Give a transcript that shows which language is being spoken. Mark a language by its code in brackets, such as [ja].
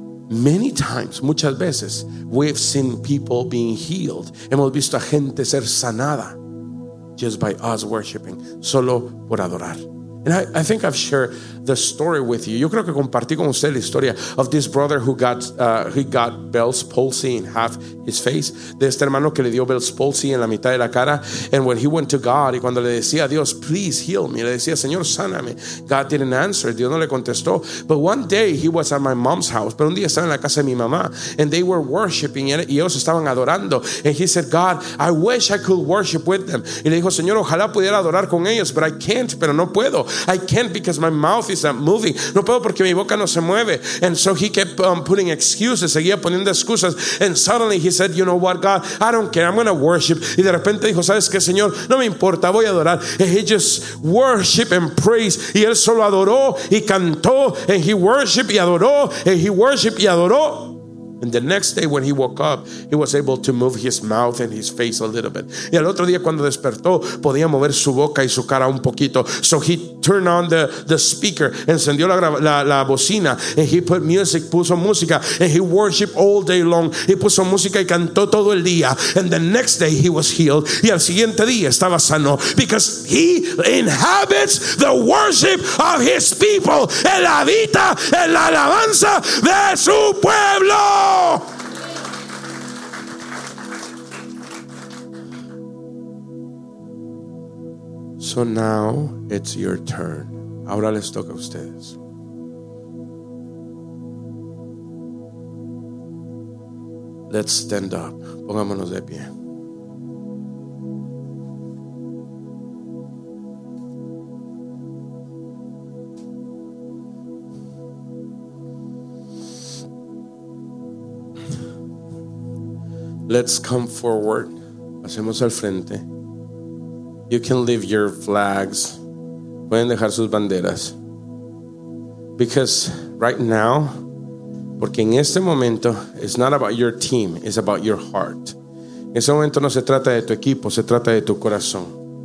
[en] Many times, [es] muchas veces, [en] we've seen people being healed. [es] Hemos visto a gente ser sanada [en] just by us worshiping, [es] solo por adorar. [en] And I think I've shared the story with you. [es] Yo creo que compartí con usted la historia [en] of this brother who got Bell's palsy in half his face. [es] De este hermano que le dio Bell's palsy en la mitad de la cara. [en] And when he went to God, [es] y cuando le decía a Dios, [en] please heal me, [es] le decía, Señor, sáname. [en] God didn't answer. [es] Dios no le contestó. [en] But one day he was at my mom's house. [es] Pero un día estaba en la casa de mi mamá. [en] And they were worshiping. [es] Y ellos estaban adorando. [en] And he said, God, I wish I could worship with them. [es] Y le dijo, Señor, ojalá pudiera adorar con ellos. [en] But I can't, [es] pero no puedo. [en] I can't because my mouth is not moving. [es] No puedo porque mi boca no se mueve. [en] And so he kept putting excuses. [es] Seguía poniendo excusas. [en] And suddenly he said, you know what, God, I don't care, I'm going to worship. [es] Y de repente dijo, ¿sabes qué, Señor? No me importa, voy a adorar. [en] And he just worshiped and praised. [es] Y él solo adoró y cantó. [en] And he worshiped [es] y adoró. [en] And he worshiped [es] y adoró. [en] And the next day when he woke up, he was able to move his mouth and his face a little bit. [es] Y al otro día cuando despertó, podía mover su boca y su cara un poquito. [en] So he turned on the speaker, [es] encendió la bocina, [en] and he put music, [es] puso música, [en] and he worshiped all day long. [es] He puso música y cantó todo el día. [en] And the next day he was healed. [es] Y al siguiente día estaba sano. [en] Because he inhabits the worship of his people. [es] Él habita en la alabanza de su pueblo. [en] So now it's your turn. [es] Ahora les toca a ustedes. [en] Let's stand up. [es] Pongámonos de pie. [en] Let's come forward. [es] Hacemos al frente. [en] You can leave your flags. [es] Pueden dejar sus banderas. [en] Because right now, [es] porque en este momento, [en] it's not about your team, it's about your heart. [es] En este momento no se trata de tu equipo, se trata de tu corazón.